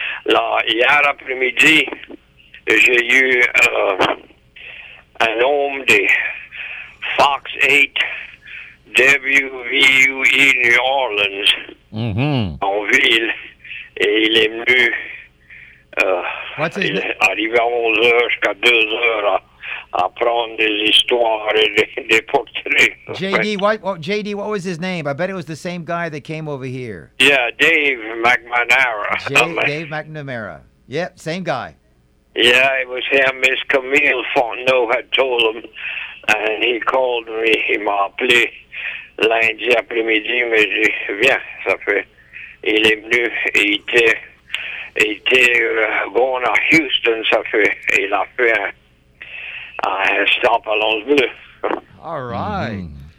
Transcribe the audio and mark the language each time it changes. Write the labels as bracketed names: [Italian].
[French] Là, hier après-midi, j'ai eu un homme de Fox 8, WVUE New Orleans, en ville, et il est venu, il est arrivé à 11h jusqu'à 2h à prendre des histoires et des portraits. [English] JD, what was his name? I bet it was the same guy that came over here. Yeah, Dave McNamara. Dave McNamara. Yep, same guy. Yeah, it was him. Miss Camille Fontenot had told him, and he called me. [French] He m'appelé lundi après-midi, mais je viens, ça fait. Il est venu, il était bon à Houston, ça fait. Il a fait un stop à l'Anse Bleu. [English] All right.